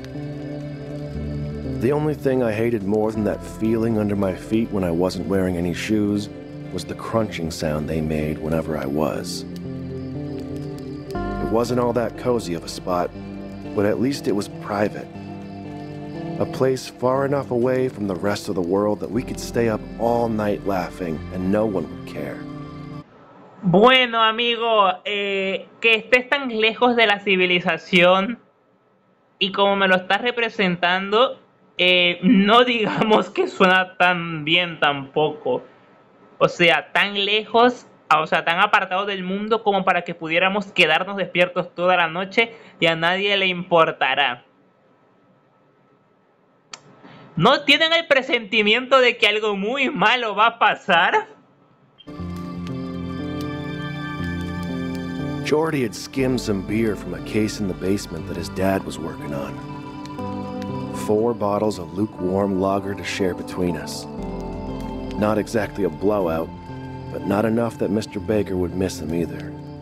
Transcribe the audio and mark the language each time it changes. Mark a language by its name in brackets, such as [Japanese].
[English] The only thing I hated more than that feeling under my feet when I wasn't wearing any shoes was the crunching sound they made whenever I was. It wasn't all that cozy of a spot, but at least it was private. A place far enough away from the rest of the world that we could stay up all night laughing and no one would care. [Spanish] Bueno, amigo, que estés tan lejos de la civilización y como me lo estás representando, no digamos que suena tan bien tampoco. O sea, tan lejos, o sea, tan apartado del mundo como para que pudiéramos quedarnos despiertos toda la noche y a nadie le importará. ¿No tienen el presentimiento de que algo muy malo va a pasar? [English] Jordy had skimmed some beer from a case in the basement that his dad was working on. 4 bottles of lukewarm lager to share between us. Not exactly a blowout, but not enough that Mr. Baker would miss him either.